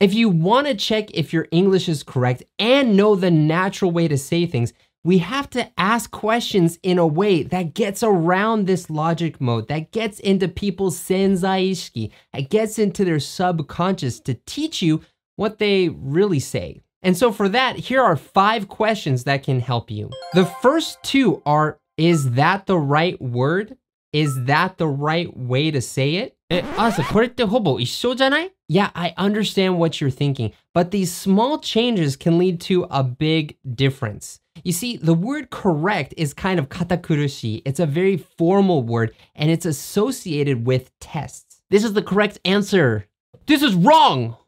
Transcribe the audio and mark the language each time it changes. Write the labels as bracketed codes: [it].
[en] If you want to check if your English is correct and know the natural way to say things, we have to ask questions in a way that gets around this logic mode, that gets into people's senzaishiki, that gets into their subconscious to teach you what they really say. And so for that, here are five questions that can help you. The first two are, is that the right word? Is that the right way to say it? [ja] Asa, これってほぼ一緒じゃない? [en] Yeah, I understand what you're thinking, but these small changes can lead to a big difference. You see, the word correct is kind of katakurushi. It's a very formal word, and it's associated with tests. This is the correct answer. This is wrong!